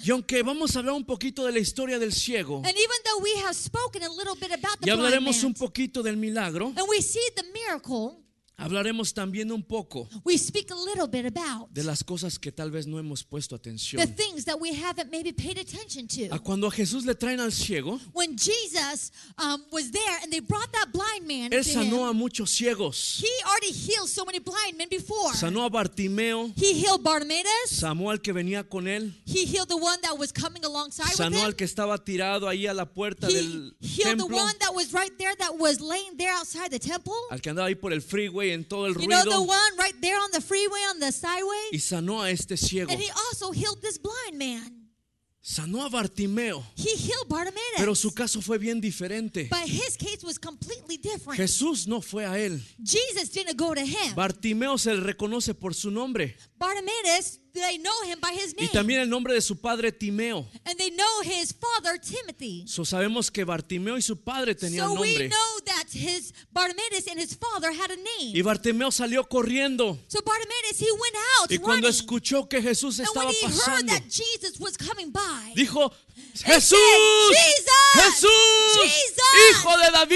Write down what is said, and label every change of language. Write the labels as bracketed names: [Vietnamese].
[Spanish] Y aunque vamos a hablar un poquito de la historia del ciego, [English] and even though we have spoken a little bit about the [Spanish] y hablaremos [English] blind man, [Spanish] un poquito del milagro, [English] and we see the miracle, [Spanish] hablaremos también un poco [English] we speak a little bit about [Spanish] de las cosas que tal vez no hemos puesto atención, [English] the things that we haven't maybe paid attention to. [Spanish] A cuando a Jesús le traen al ciego, [English] when Jesus was there and they brought that blind man, [Spanish] él sanó [English] to him, [Spanish] a muchos ciegos. [English] He already healed so many blind men before. [Spanish] Sanó a Bartimeo. [English] He healed Bartimaeus. [Spanish] Sanó al que venía con él. [English] He healed the one that was coming alongside [Spanish] sanó [English] with him. [Spanish] Sanó al que estaba tirado ahí a la puerta [English] he [Spanish] del [English] healed [Spanish] templo. [English] The one that was right there, that was laying there outside the temple. [Spanish] Al que andaba ahí por el freeway en todo el ruido. [English] You know, the one right there on the freeway, on the sideway. [Spanish] Y sanó a este ciego. [English] And he also healed this blind man. [Spanish] Sanó a Bartimeo. [English] He healed Bartimaeus. [Spanish] Pero su caso fue bien diferente. [English] But his case was completely different. [Spanish] Jesús no fue a él. [English] Jesus didn't go to him. [Spanish] Bartimeo se le reconoce por su nombre. [English] Bartimaeus, they know him by his name. [Spanish] Y también el nombre de su padre Timeo. [English] And they know his father Timothy. [Spanish] So sabemos que Bartimeo y su padre tenían [English] so [Spanish] nombre. [English] So we know that his Bartimaeus and his father had a name. [Spanish] Y Bartimeo salió corriendo. [English] So Bartimaeus, he went out running. [Spanish] Y cuando [English] running. [Spanish] Escuchó que Jesús estaba pasando. [English] And when he heard that Jesus was coming by. [Spanish] Dijo, Jesús, [English] said, Jesus, [Spanish] Jesús, hijo de David,